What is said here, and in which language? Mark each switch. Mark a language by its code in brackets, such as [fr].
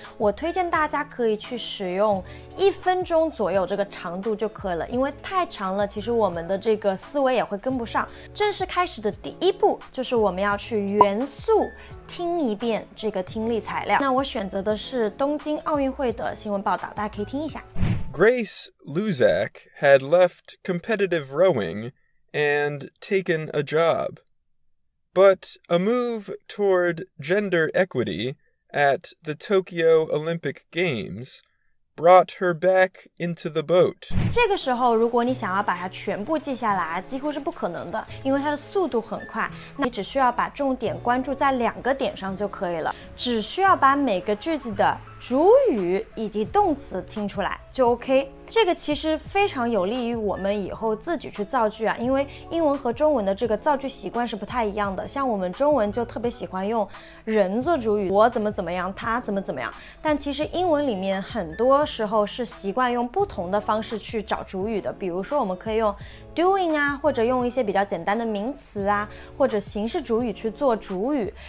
[zh] 我推荐大家可以去使用1分钟左右这个长度就可以了，因为太长了，其实我们的这个思维也会跟不上。正式开始的第一步就是我们要去元素听一遍这个听力材料。那我选择的是东京奥运会的新闻报道，大家可以听一下。 [en] Grace Luzak had left competitive rowing and taken a job. But a move toward gender equity at the Tokyo Olympic Games brought her back into the boat. [zh] 这个时候如果你想要把它全部记下来几乎是不可能的，因为它的速度很快，那你只需要把重点关注在两个点上就可以了，只需要把每个句子的主语以及动词听出来就 OK。这个其实非常有利于我们以后自己去造句啊，因为英文和中文的这个造句习惯是不太一样的，像我们中文就特别喜欢用人做主语，我怎么怎么样，他怎么怎么样，但其实英文里面很多时候是习惯用不同的方式去找主语的，比如说我们可以用doing 啊，或者用一些比较简单的名词啊，或者形式主语去做主语。